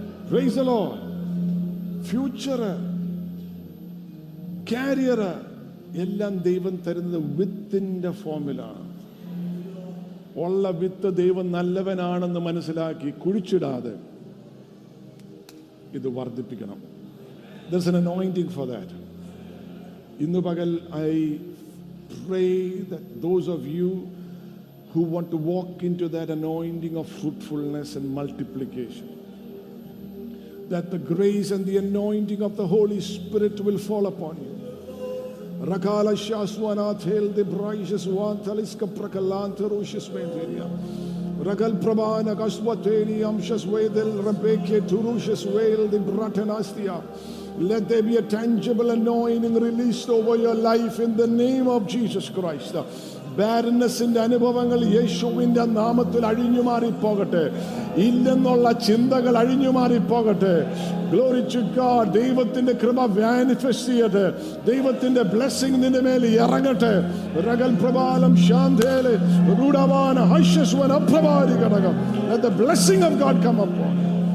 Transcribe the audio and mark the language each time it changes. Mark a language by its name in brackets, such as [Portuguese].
[English] Praise the Lord. Future, career, [Malayalam] എല്ലാം ദൈവം തരുന്നത് വിത്തിൻ്റെ ഫോമിലാണ്. ഉള്ള വിത്ത് ദൈവം നല്ലവനാണെന്ന് മനസ്സിലാക്കി കുഴിച്ചിടാതെ ഇത് വർദ്ധിപ്പിക്കണം. [English] There's an anointing for that. [Malayalam] Innu pagal, [English] I pray that those of you who want to walk into that anointing of fruitfulness and multiplication, that the grace and the anointing of the Holy Spirit will fall upon you. Rakala shaswanathel de braishes wantaliska prakalantarushis mentiria. Ragal prabana kaswateni amshaswedel rabeke turushis veil de bratanastia. Let there be a tangible anointing released over your life in the name of Jesus Christ. [Malayalam] ബാരൻനെസ് അനുഭവങ്ങൾ യേശുവിന്റെ നാമത്തിൽ അഴിഞ്ഞു മാറിപ്പോകട്ടെ. ഇല്ലെന്നുള്ള ചിന്തകൾ അഴിഞ്ഞു മാറിപ്പോകട്ടെ. [English] Glory to God. [Malayalam] ദൈവത്തിന്റെ കൃപ മാനിഫെസ്റ്റ് ചെയ്യട്ടെ. ദൈവത്തിന്റെ ബ്ലെസ്സിംഗ് നിന്റെ മേൽ ഇറങ്ങട്ടെ. റഗൽ പ്രബാലം ശാന്തേല റുഡവാന ഹൈശ്വൻ അപ്രഭാരി ഘടകം. [English] Let the blessing of God come upon you.